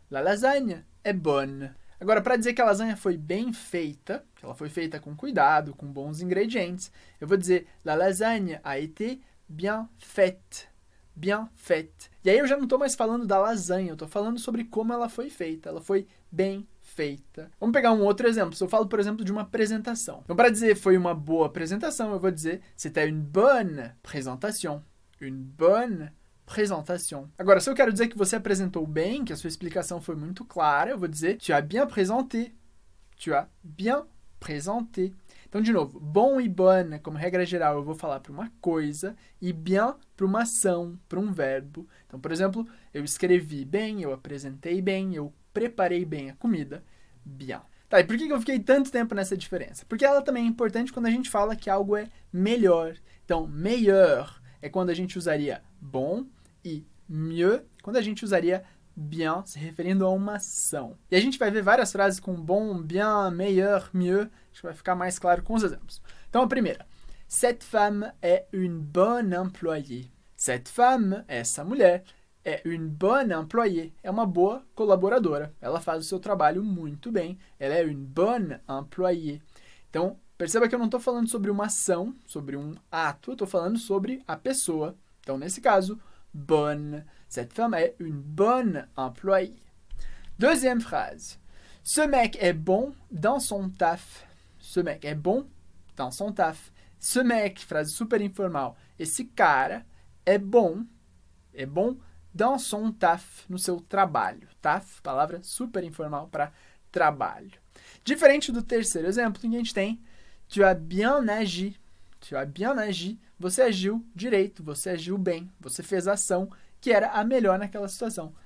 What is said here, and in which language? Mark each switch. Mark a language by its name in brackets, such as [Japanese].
[French] La lasagne est bonne. [Portuguese] Agora, para dizer que a lasanha foi bem feita, que ela foi feita com cuidado, com bons ingredientes, eu vou dizer [French] la lasagne a été bien faite. Bien faite. [Portuguese] E aí eu já não estou mais falando da lasanha, eu estou falando sobre como ela foi feita. Ela foi bem feita. Vamos pegar um outro exemplo. Se eu falo, por exemplo, de uma apresentação. Então, para dizer foi uma boa apresentação, eu vou dizer [French] c'était une bonne présentation. Une bonne présentation. [Portuguese] Agora, se eu quero dizer que você apresentou bem, que a sua explicação foi muito clara, eu vou dizer [French] tu as bien présenté. Tu as bien présenté. [Portuguese] Então, de novo, bon e bonne, como regra geral, eu vou falar para uma coisa e bien para uma ação, para um verbo. Então, por exemplo, eu escrevi bem, eu apresentei bem, eu preparei bem a comida, bien. Tá, e por que eu fiquei tanto tempo nessa diferença? Porque ela também é importante quando a gente fala que algo é melhor. Então, meilleur é quando a gente usaria bom e mieux quando a gente usaria bien, se referindo a uma ação. E a gente vai ver várias frases com bom, bien, meilleur, mieux. Acho que vai ficar mais claro com os exemplos. Então, a primeira. [French] Cette femme est une bonne employée. Cette femme, [Portuguese] essa mulher, é [French] une bonne employée. [Portuguese] É uma boa colaboradora. Ela faz o seu trabalho muito bem. Ela é [French] une bonne employée. [Portuguese] Então, perceba que eu não estou falando sobre uma ação, sobre um ato. Eu estou falando sobre a pessoa. Então, nesse caso, bonne. [French] Cette femme est une bonne employée. Deuxième phrase. Ce mec est bon dans son taf. Ce mec est bon dans son taf. [Portuguese] Ce mec, frase super informal. Esse cara é bom [French] dans son taf, [Portuguese] no seu trabalho. Taf, palavra super informal para trabalho. Diferente do terceiro exemplo, em que a gente tem [French] tu as bien agi. Tu as bien agi. [Portuguese] Você agiu direito, você agiu bem, você fez a ação que era a melhor naquela situação.